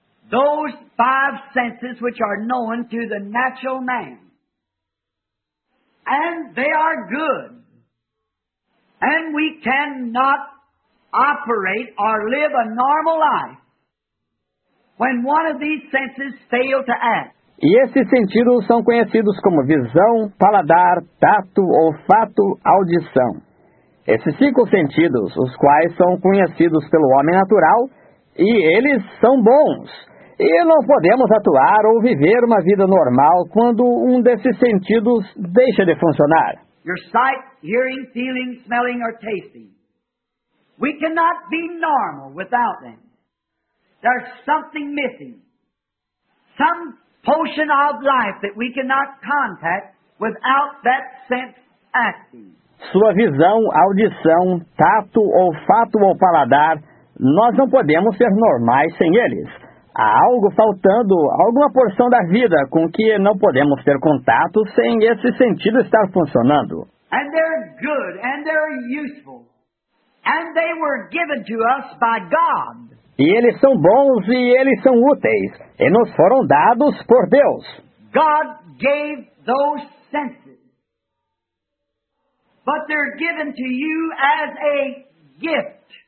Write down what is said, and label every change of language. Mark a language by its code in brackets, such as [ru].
[en] Those five senses which are known to the natural man. And they are good. And we cannot operate or live a normal life when one of these senses fail to act. [pt] E esses sentidos são conhecidos como visão, paladar, tato, olfato, audição. Esses cinco sentidos, os quais são conhecidos pelo homem natural, e eles são bons. E não podemos atuar ou viver uma vida normal quando um desses sentidos deixa de funcionar. [en] Your sight, hearing, feeling, smelling, or tasting. We cannot be normal without them. There's something missing. Some potion of life that we cannot contact without that sense acting. [pt] Sua visão, audição, tato, olfato ou paladar, nós não podemos ser normais sem eles. Há algo faltando, alguma porção da vida com que não podemos ter contato sem esse sentido estar funcionando. [en] And they're good and they're useful. And they were given to us by God. [pt] E eles são bons e eles são úteis, e nos foram dados por Deus. [en] God gave those senses, but they're given to you as a gift.